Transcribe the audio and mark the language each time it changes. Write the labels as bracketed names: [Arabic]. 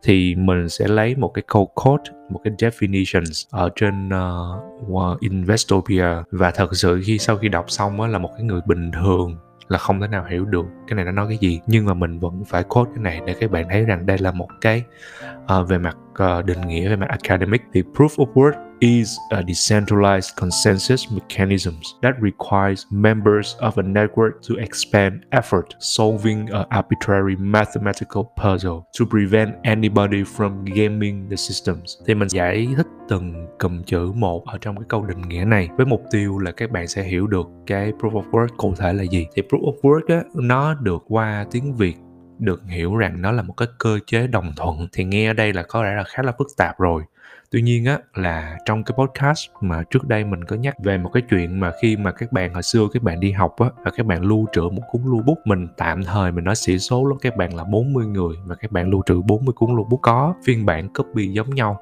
[Vietnamese] Thì mình sẽ lấy một cái câu quote, một cái definitions ở trên Investopia. Và thật sự khi sau khi đọc xong á, là một cái người bình thường là không thể nào hiểu được cái này nó nói cái gì. Nhưng mà mình vẫn phải quote cái này để các bạn thấy rằng đây là một cái về mặt định nghĩa, về mặt academic. [English] Thì Proof of Work is a decentralized consensus mechanism that requires members of a network to expend effort solving an arbitrary mathematical puzzle to prevent anybody from gaming the systems. [Vietnamese] Thì mình giải thích từng cụm chữ một ở trong cái câu định nghĩa này với mục tiêu là các bạn sẽ hiểu được cái Proof of Work cụ thể là gì. Thì Proof of Work á, nó được qua tiếng Việt được hiểu rằng nó là một cái cơ chế đồng thuận. Thì nghe ở đây là có vẻ là khá là phức tạp rồi. Tuy nhiên á, là trong cái podcast mà trước đây mình có nhắc về một cái chuyện mà khi mà các bạn hồi xưa các bạn đi học á, và các bạn lưu trữ một cuốn lưu bút, mình tạm thời mình nói sĩ số lúc các bạn là 40 người và các bạn lưu trữ 40 cuốn lưu bút có phiên bản copy giống nhau.